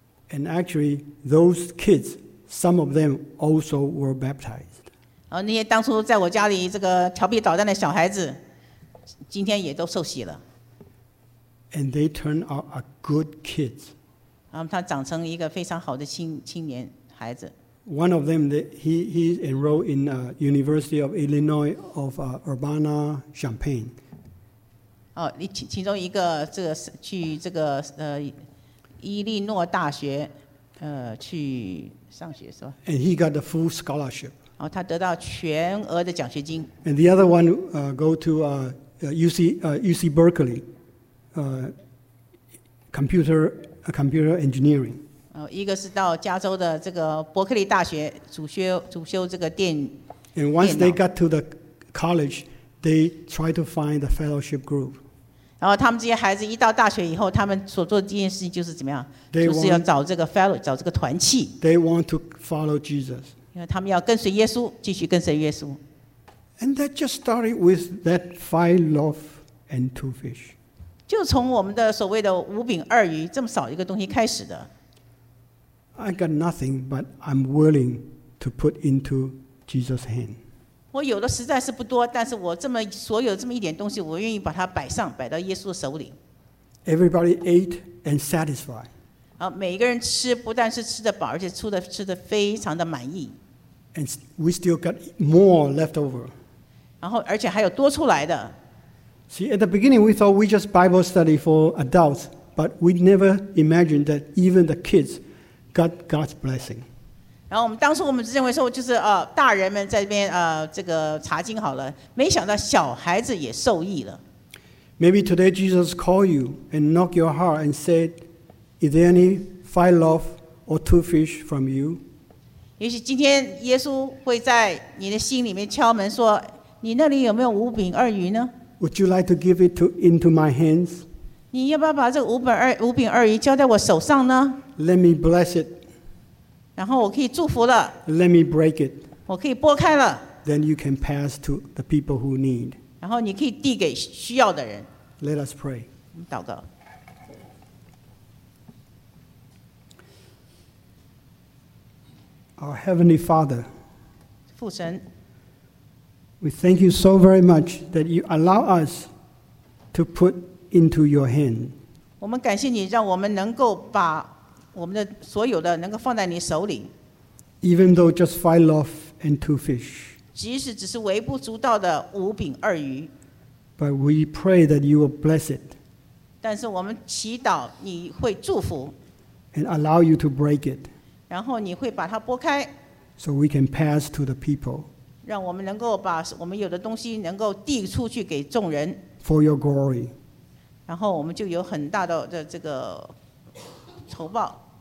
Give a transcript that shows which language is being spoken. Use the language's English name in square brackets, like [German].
[English] And actually, those kids, some of them also were baptized. [Chinese] 然后那些当初在我家里这个调皮捣蛋的小孩子，今天也都受洗了。 [English] And they turned out a good kids. [Chinese] 然后他长成一个非常好的青年孩子。 [English] One of them, he enrolled in the University of Illinois of Urbana-Champaign. [Chinese] 其中一个这个去这个伊利诺大学去上学是吧？ [English] And he got the full scholarship. [Chinese] 然后他得到全额的奖学金。 [English] And the other one go to UC Berkeley, computer engineering. [Chinese] 一个是到加州的这个伯克利大学主修这个电脑。 [English] And once they got to the college, they tried to find the fellowship group. [Chinese] 然后他们这些孩子一到大学以后，他们所做的第一件事情就是怎么样？就是要找这个 [English] fellow， [Chinese] 找这个团契。 [English] They want to follow Jesus. [Chinese] 因为他们要跟随耶稣，继续跟随耶稣。 [English] And that just started with that five loaves and two fish. [Chinese] 就从我们的所谓的五饼二鱼这么少一个东西开始的。 [English] I got nothing, but I'm willing to put into Jesus' hand. [Chinese] 我有的实在是不多，但是我这么所有这么一点东西，我愿意把它摆上，摆到耶稣的手里。 [English] Everybody ate and satisfied. [Chinese] 好，每一个人吃，不但是吃得饱，而且吃得非常的满意。 [English] And we still got more left over. [Chinese] 然后，而且还有多出来的。 [English] See, at the beginning, we thought we just Bible study for adults, but we never imagined that even the kids. Got God's blessing. [Chinese] 然后我们当初我们认为说，就是大人们在这边这个查经好了，没想到小孩子也受益了。 [English] Maybe today Jesus call you and knock your heart and said, "Is there any five loaf or two fish from you?" [Chinese] 也许今天耶稣会在你的心里面敲门说，你那里有没有五饼二鱼呢 [English] ？Would you like to give it into my hands? [Chinese] 你要不要把这五饼二鱼交在我手上呢？ [English] Let me bless it. [Chinese] 然后我可以祝福了。 [English] Let me break it. [Chinese] 我可以拨开了。 [English] Then you can pass to the people who need. [Chinese] 然后你可以递给需要的人。 [English] Let us pray. [Chinese] 我们祷告。 [English] Our Heavenly Father. [Chinese] 父神。 [English] We thank you so very much that you allow us to put into your hand. [Chinese] 我们感谢你让我们能够把我们的所有的能够放在你手里。 [English] Even though just five loaves and two fish. [Chinese] 即使只是微不足道的五饼二鱼。 [English] But we pray that you will bless it. [Chinese] 但是我们祈祷你会祝福。 [English] And allow you to break it. [Chinese] 然后你会把它拨开。 [English] So we can pass to the people. [Chinese] 让我们能够把我们有的东西能够递出去给众人。 [English] For your glory. [Chinese] 然后我们就有很大的这个仇报。